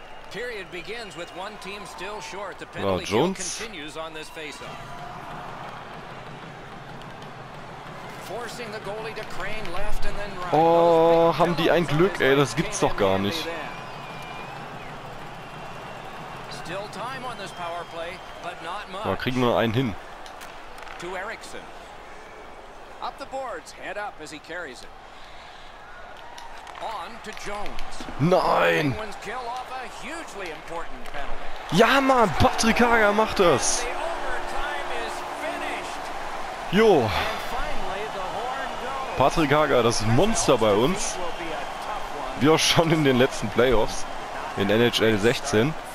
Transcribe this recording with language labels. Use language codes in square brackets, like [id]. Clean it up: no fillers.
[en] Period begins with one team still short. The penalty continues on this face-off. Forcing the goalie to crane left and then right. [de] Oh, haben die ein Glück, ey, das gibt's doch gar nicht. [en] Still time on this power play, but not much. [de] Da kriegen wir einen hin. [en] To Eriksson. Up the boards, head up as he carries it. On to Jones. [de] Nein! [en] Penguins kill off a hugely important penalty. [de] Ja, Mann, Patrick Hager macht das. [en] And the overtime is finished. [de] Jo. [en] And finally the horn goes. [de] Patrick Hager, das Monster bei uns. Wir auch schon in den letzten Playoffs in NHL 16.